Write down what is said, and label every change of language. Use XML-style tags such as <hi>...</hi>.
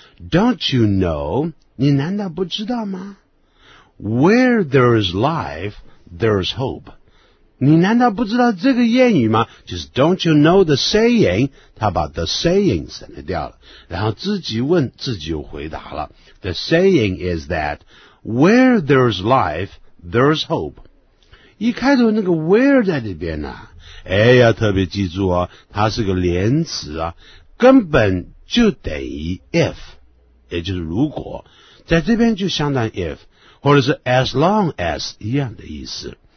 <en>Don't you know,</en> <zh>你难道不知道吗</zh> <en>?Where there is life, there is hope.</en> <zh>你难道不知道这个谚语吗？就是</zh> <en>Don't you know the saying?</en> <zh>他把 the saying 省了掉了。然后自己问自己又回答了。</zh> <en>The saying is that, where there is life, there is hope.</en> <zh>一开头那个 where 在里边呢、啊、哎呀特别记住哦，它是个连词啊，根本就等于 if。也就是如果，在这边就相当 if, 或者是 as long as 一样的意思。</zh>